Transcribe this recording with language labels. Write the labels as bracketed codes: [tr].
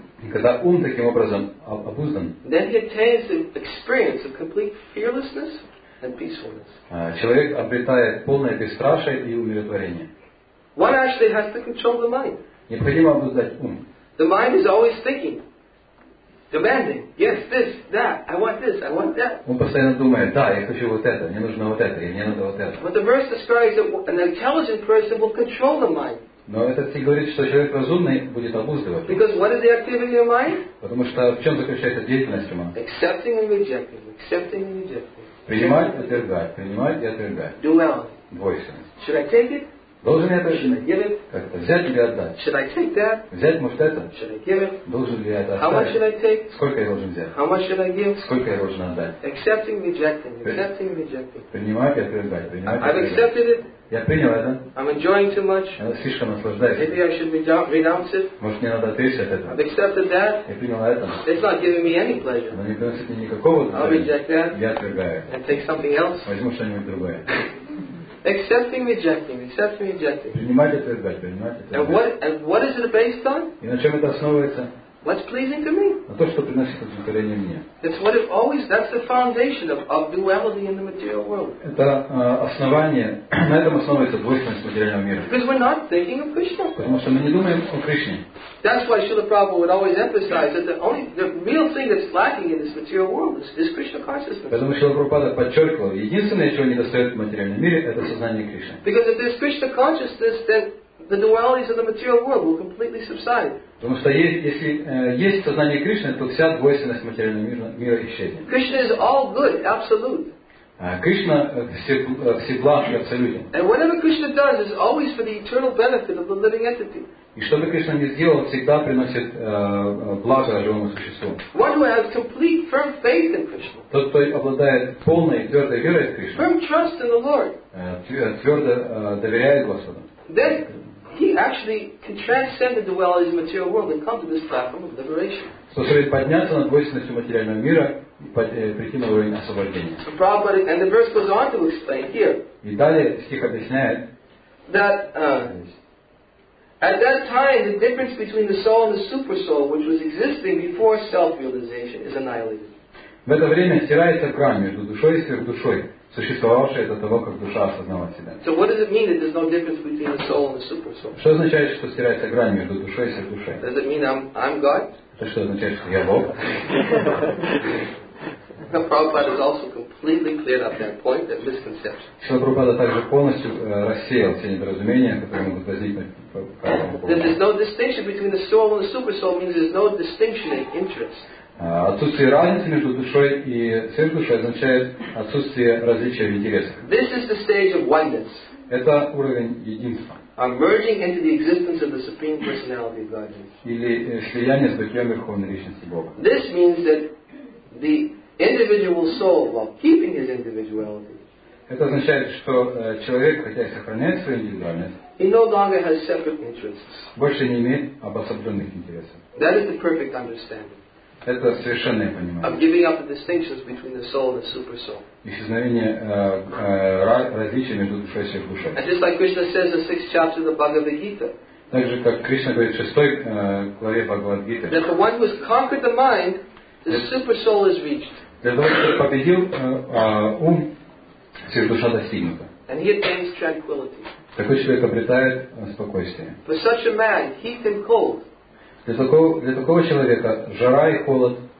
[ru] и когда ум таким образом обуздан, [en] then he attains the experience of complete fearlessness and peacefulness. [ru] Человек обретает полное бесстрашие и умиротворение. [en] One actually has to control the mind. [ru] Необходимо обуздать ум. [en] The mind is always thinking. Demanding, yes, this, that, I want this, I want that. [ru] Он постоянно думает, да, я хочу вот это, мне нужно вот это, мне надо вот это. [en] But the verse describes that an intelligent person will control the mind. [ru] Но этот стих говорит, что человек разумный будет обуздывать. [en] Because what is the activity of mind? [ru] Потому что в чем заключается деятельность ума? [en] Accepting and rejecting, accepting and rejecting. [ru] Принимать, отвергать, принимать и отвергать. [en] Duality. [ru] Двойственность. [en] Should I take it? [ru] Должен ли я это? [en] Should I give it? [ru] Как это? Взять или отдать? [en] Should I take that? [ru] Взять, может, это? [en] Should I give it? [ru] Должен ли я это? [en] How much should I take? [ru] Сколько я должен взять? [en] How much should I give? [ru] Сколько я должен отдать? [en] Accepting, rejecting, accepting, rejecting. [ru] Принимать и отвергать. [en] I've accepted it. [ru] Я принял это. [en] I'm enjoying too much. [ru] Я слишком наслаждаюсь. [en] Maybe I should renounce it. [ru] Может, мне надо отречься от этого. [en] I've accepted that. [ru] Я принял это. [en] It's not giving me any pleasure. [ru] Но не приносит мне никакого удовлетворения. [en] I'll reject that. [ru] Я отвергаю. [en] And take something else. [ru] Возьму что-нибудь другое. [en] Accepting, rejecting, accepting, rejecting. [ru] Принимать, отвергать, принимать, отвергать. [en] And what is it based on? [ru] И на чем это основывается? [en] What's pleasing to me? [ru] То, что приносит удовлетворение мне. [en] That's what it always. That's the foundation of duality in the material world. [ru] Это основание. На этом основывается двойственность материального мира. [en] Because we're not thinking of Krishna. [ru] Потому что мы не думаем о Кришне. [en] That's why Srila Prabhupada would always emphasize that the real thing that's lacking in this material world is Krishna consciousness. [ru] Поэтому Шрила Прабхупада подчеркивал, единственное, чего недостает в материальном мире, это сознание Кришны. [en] Because if there's Krishna consciousness, then the dualities of the material world will completely subside. [ru] Потому что если есть сознание Кришны, то вся двойственность материального мира исчезнет. [en] Krishna is all good, absolute. [ru] Кришна всеблаж и абсолютен. [en] And whatever Krishna does is always for the eternal benefit of the living entity. [ru] И что бы Кришна ни сделал, всегда приносит благо живому существу. [en] One who has complete firm faith in Krishna. [ru] Тот, кто обладает полной твердой верой в Кришну. [en] Firm trust in the Lord. [ru] Твердо доверяет Господу. [en] Then he actually can transcend the dualities of the material world and come to this platform of liberation. [ru] То есть подняться над двойственностью материального мира и прийти на уровень освобождения. [en] And the verse goes on to explain here. [ru] И далее стих объясняет. [en] That at that time the difference between the soul and the supersoul, which was existing before self-realization, is annihilated. [ru] В это время стирается грань между душой и сверхдушой, существовавшая до того, как душа осознала себя. [en] So what does it mean that there's no difference between the soul and the supersoul? [ru] Что означает, что стирается грань между душой и сверхдушой? [en] Does it mean I'm God? [ru] Это что означает, что я Бог? [en] Prabhupada has also completely cleared up that point, that misconception. [ru] Шрила Прабхупада также полностью рассеял все недоразумения, которые могут возникнуть. [en] There's no distinction between the soul and the supersoul means there's no distinction in interest. [ru] Отсутствие разницы между душой и сверхдушой означает отсутствие различия в интересах. [en] This is the stage of oneness. [ru] Это уровень единства. [en] Emerging into the existence of the supreme personality of God. [ru] Или слияние с духом верховной личности Бога. [en] This means that the individual soul, while keeping his individuality, [ru] это означает, что человек, хотя и сохраняет свою индивидуальность, [en] he no longer has separate interests. [ru] Больше не имеет обособленных интересов. [en] That is the perfect understanding. [ru] Это совершенное понимание. [en] Of giving up the distinctions between the soul and the super soul. [ru] Исчезновение различия между душой и сверхдушой. [en] And just like Krishna says in the sixth chapter of the Bhagavad Gita. [ru] Так же, как Кришна говорит в шестой главе Бхагавад Гиты. [en] That the one who has conquered the mind, the super soul is reached. [ru] Для того, чтобы победил ум, сверхдуша достигнута. [en] And he attains tranquility. [ru] Такой человек обретает спокойствие. [en] For such a man, heat and cold. [ru] Для такого человека жара и холод,